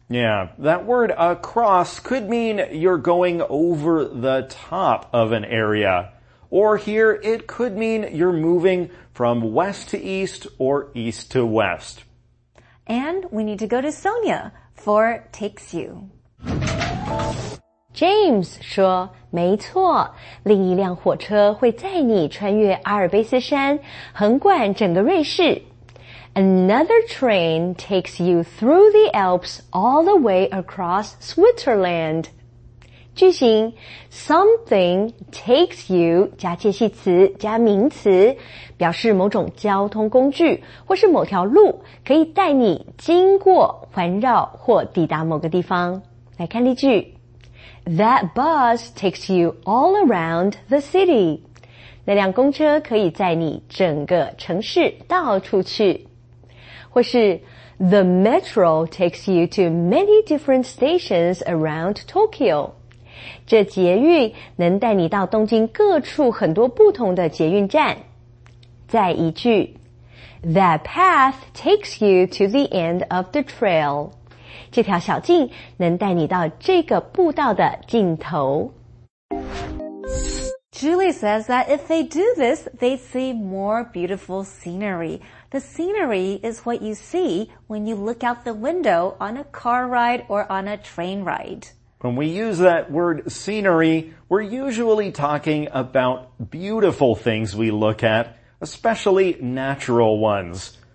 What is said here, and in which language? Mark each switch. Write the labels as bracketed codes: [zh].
[en] Yeah, that word across could mean you're going over the top of an area. Or here, it could mean you're moving from west to east or east to west. And we need to go to Sonia for Takes You. [zh] James 说，没错，另一辆火车会载你穿越阿尔卑斯山，横贯整个瑞士。 [en] Another train takes you through the Alps all the way across Switzerland. [zh] 句型 [en] something takes you [zh] 加介系词加名词，表示某种交通工具或是某条路可以带你经过、环绕或抵达某个地方。来看例句。 [en] That bus takes you all around the city. [zh] 那辆公车可以载你整个城市到处去。或是 [en] The metro takes you to many different stations around Tokyo. [zh] 这捷运能带你到东京各处很多不同的捷运站。再一句 [en] That path takes you to the end of the trail. [zh] 这条小径能带你到这个步道的尽头。 [en] Julie says that if they do this, they see more beautiful scenery. The scenery is what you see when you look out the window on a car ride or on a train ride. When we use that word scenery, we're usually talking about beautiful things we look at, especially natural ones.